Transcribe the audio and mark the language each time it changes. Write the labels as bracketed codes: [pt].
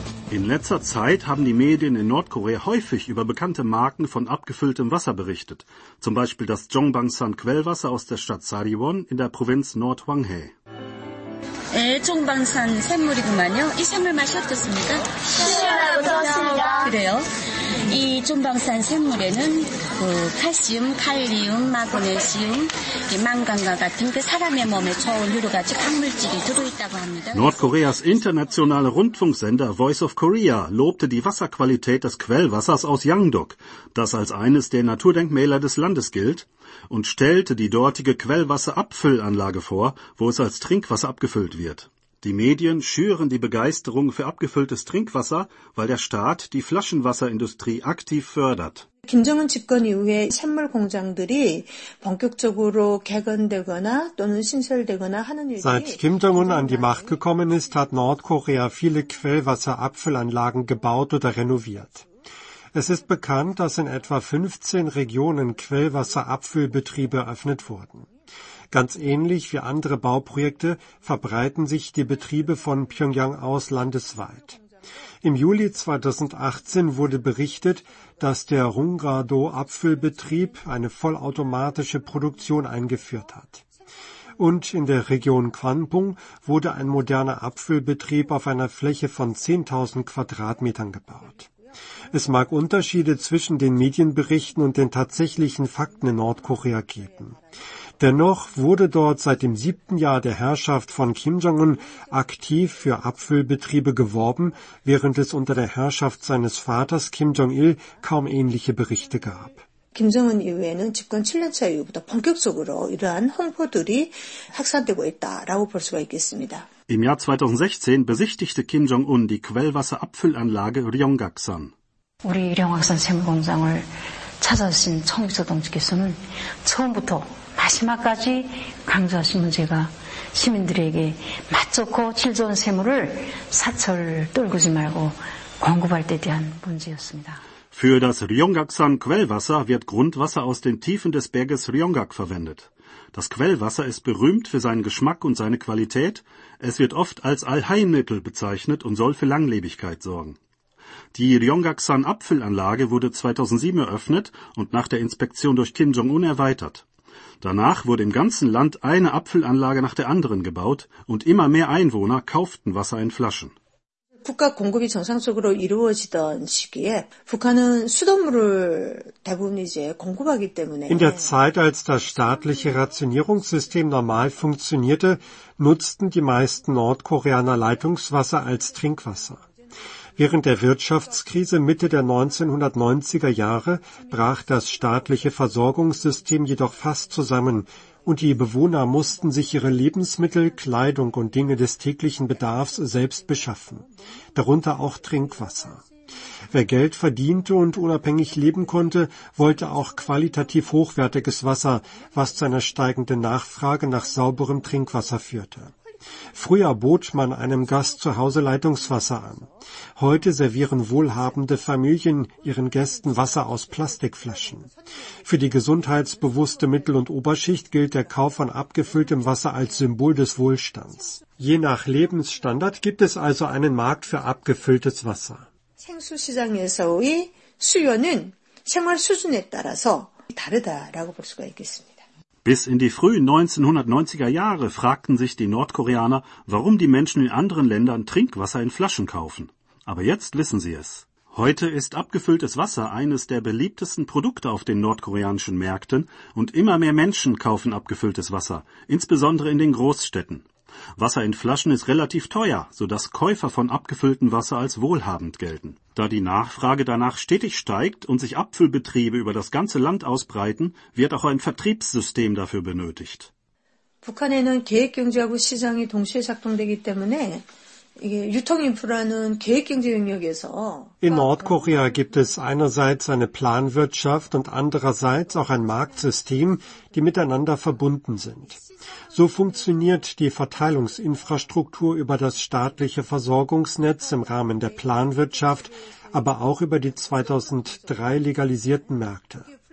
[de] In letzter Zeit haben die Medien in Nordkorea häufig über bekannte Marken von abgefülltem Wasser berichtet, zum Beispiel das Jongbangsan Quellwasser aus der Stadt Sariwon in der Provinz Nordhwanghae. Jongbangsan-Quellwasser. [ko] 이 생물 마셨겠습니까? 시원하고 좋습니다. 그래요? 이 쫀방산 샘물에는 그 칼슘, 칼륨, 마그네슘, 망간과 같은 그 사람의 몸에 좋은 여러 가지 광물질이 들어있다고 합니다. [de] Nordkoreas internationale Rundfunksender Voice of Korea lobte die Wasserqualität des Quellwassers aus Yangduk, das als eines der Naturdenkmäler des Landes gilt, und stellte die dortige Quellwasserabfüllanlage vor, wo es als Trinkwasser abgefüllt wird. Die Medien schüren die Begeisterung für abgefülltes Trinkwasser, weil der Staat die Flaschenwasserindustrie aktiv fördert. [ko] 김정은 집권 이후에 샘물 공장들이 본격적으로 개건되거나 또는 신설되거나 하는 일이 [de] Seit Kim Jong-un an die Macht gekommen ist, hat Nordkorea viele Quellwasserabfüllanlagen gebaut oder renoviert. Es ist bekannt, dass in etwa 15 Regionen Quellwasserabfüllbetriebe eröffnet wurden. Ganz ähnlich wie andere Bauprojekte verbreiten sich die Betriebe von Pyongyang aus landesweit. Im Juli 2018 wurde berichtet, dass der Rungrado-Abfüllbetrieb eine vollautomatische Produktion eingeführt hat. Und in der Region Kwangpung wurde ein moderner Abfüllbetrieb auf einer Fläche von 10.000 Quadratmetern gebaut. Es mag Unterschiede zwischen den Medienberichten und den tatsächlichen Fakten in Nordkorea geben. Dennoch wurde dort seit dem 7. Jahr der Herrschaft von Kim Jong-un aktiv für Abfüllbetriebe geworben, während es unter der Herrschaft seines Vaters Kim Jong-il kaum ähnliche Berichte gab. [ko] Kim Jong-un 이후에는 집권 7년차 이후부터 본격적으로 이러한 홍보들이 확산되고 있다라고 볼 수가 있겠습니다. [de] Im Jahr 2016 besichtigte Kim Jong-un die Quellwasserabfüllanlage Ryongak-san. [ko] 우리 Ryongak-san 샘공장을 찾아주신 청기서 동지께서는 처음부터 마지막까지 강조하신 문제가 시민들에게 맛 좋고 질 좋은 샘물을 사철 떨구지 말고 공급할 때 대한 문제였습니다. [de] Für das Ryongak-san Quellwasser wird Grundwasser aus den Tiefen des Berges Ryongak verwendet. Das Quellwasser ist berühmt für seinen Geschmack und seine Qualität. Es wird oft als Allheilmittel bezeichnet und soll für Langlebigkeit sorgen. Die Ryongak-san Abfüllanlage wurde 2007 eröffnet und nach der Inspektion durch Kim Jong-un erweitert. Danach wurde im ganzen Land eine Abfüllanlage nach der anderen gebaut und immer mehr Einwohner kauften Wasser in Flaschen. [ko] 국가 공급이 정상적으로 이루어지던 시기에 북한은 수돗물을 대부분 이제 공급하기 때문에 [de] In der Zeit, als das staatliche Rationierungssystem normal funktionierte, nutzten die meisten Nordkoreaner Leitungswasser als Trinkwasser. Während der Wirtschaftskrise Mitte der 1990er Jahre brach das staatliche Versorgungssystem jedoch fast zusammen und die Bewohner mussten sich ihre Lebensmittel, Kleidung und Dinge des täglichen Bedarfs selbst beschaffen, darunter auch Trinkwasser. Wer Geld verdiente und unabhängig leben konnte, wollte auch qualitativ hochwertiges Wasser, was zu einer steigenden Nachfrage nach sauberem Trinkwasser führte. Früher bot man einem Gast zu Hause Leitungswasser an. Heute servieren wohlhabende Familien ihren Gästen Wasser aus Plastikflaschen. Für die gesundheitsbewusste Mittel- und Oberschicht gilt der Kauf von abgefülltem Wasser als Symbol des Wohlstands. Je nach Lebensstandard gibt es also einen Markt für abgefülltes Wasser. [ko] 생수시장에서의 수요는 생활 수준에 따라서 다르다라고 볼 수가 있겠습니다. [de] Bis in die frühen 1990er Jahre fragten sich die Nordkoreaner, warum die Menschen in anderen Ländern Trinkwasser in Flaschen kaufen. Aber jetzt wissen sie es. Heute ist abgefülltes Wasser eines der beliebtesten Produkte auf den nordkoreanischen Märkten und immer mehr Menschen kaufen abgefülltes Wasser, insbesondere in den Großstädten. Wasser in Flaschen ist relativ teuer, sodass Käufer von abgefülltem Wasser als wohlhabend gelten. Da die Nachfrage danach stetig steigt und sich Abfüllbetriebe über das ganze Land ausbreiten, wird auch ein Vertriebssystem dafür benötigt. [ko] 북한에는 계획 경제하고 시장이 동시에 작동되기 때문에 [de] In Nordkorea gibt es einerseits eine Planwirtschaft und andererseits auch ein Marktsystem, die miteinander verbunden sind. So funktioniert die Verteilungsinfrastruktur über das staatliche Versorgungsnetz im Rahmen der Planwirtschaft, aber auch über die 2003 legalisierten Märkte.